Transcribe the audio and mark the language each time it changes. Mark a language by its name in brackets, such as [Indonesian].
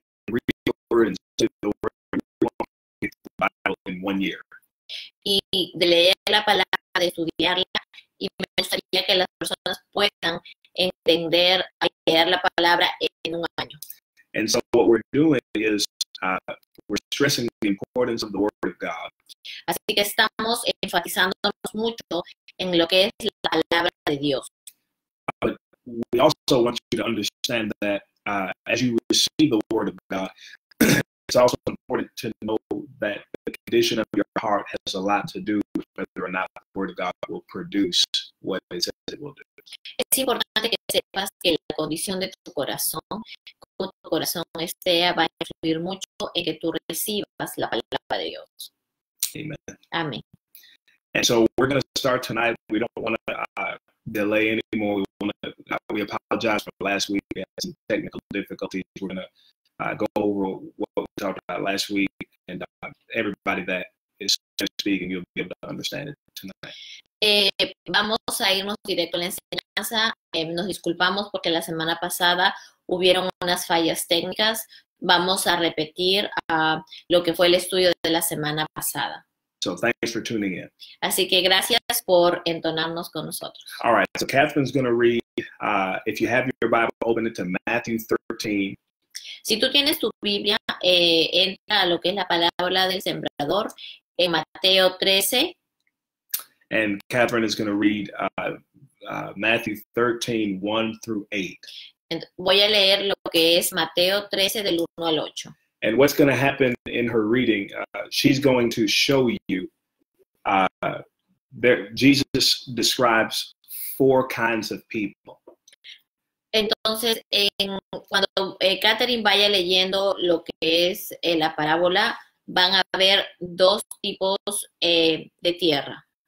[English] Read the word and study the word in the Bible in 1 year. [Spanish] Y de leer la palabra, de estudiarla, y me gustaría que las personas puedan entender y leer la palabra en un año. [English] And so what we're doing is we're stressing the importance of the Word of God. [Spanish] Así que estamos enfatizándonos mucho en lo que es la palabra de Dios. [English] But we also want you to understand that as you receive the Word of God, it's also important to know that the condition of your heart has a lot to do with whether or not the Word of God will produce what it says it will do. [Spanish] Es importante que sepas que la condición de tu corazón, como tu corazón sea, va a influir mucho en que tú recibas la palabra de Dios. [English] Amen. [Spanish] Amén. [English] And so we're going to start tonight. We don't want to delay anymore. We apologize for last week. We had some technical difficulties. We're going to go over what we talked about last week. And everybody that is speaking, you'll be able to understand it tonight. [Spanish] Vamos a irnos directo a la enseñanza. Nos disculpamos porque la semana pasada hubieron unas fallas técnicas. Vamos a repetir lo que fue el estudio de la semana pasada. [English] So thanks for tuning in. [Spanish] Así que gracias por entonarnos con nosotros. [English] All right, so Catherine's going to read, if you have your Bible, open it to Matthew 13. [Spanish] Si tú tienes tu Biblia, entra a lo que es la palabra del sembrador en Mateo 13. [English] And Catherine is going to read Matthew 13, 1 through 8. [Spanish] Voy a leer lo que es Mateo 13, del 1 al 8. [English] And what's going to happen in her reading, she's going to show you, Jesus describes four kinds of people. [Spanish] Entonces, cuando Catherine vaya leyendo lo que es la parábola, van a ver dos tipos de tierra.